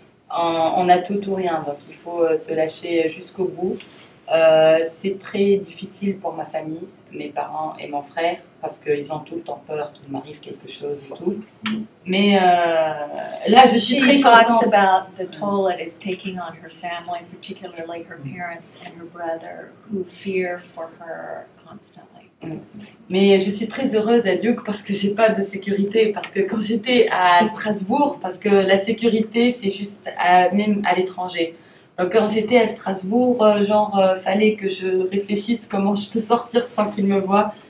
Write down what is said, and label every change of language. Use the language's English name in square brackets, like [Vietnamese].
[French] On a tout ou rien, donc il faut se lâcher jusqu'au bout. C'est très difficile pour ma famille, mes parents et mon frère, parce qu'ils ont tout le temps peur qu'il m'arrive quelque chose et tout. Mais là, je suis très contente. [English] She talks about the toll it is taking on her family, particularly her parents and her brother, who fear for her constantly. [French] Mais je suis très heureuse à Duke parce que j'ai pas de sécurité. Parce que quand j'étais à Strasbourg, parce que la sécurité c'est juste même à l'étranger. Donc quand j'étais à Strasbourg, fallait que je réfléchisse comment je peux sortir sans qu'il me voie.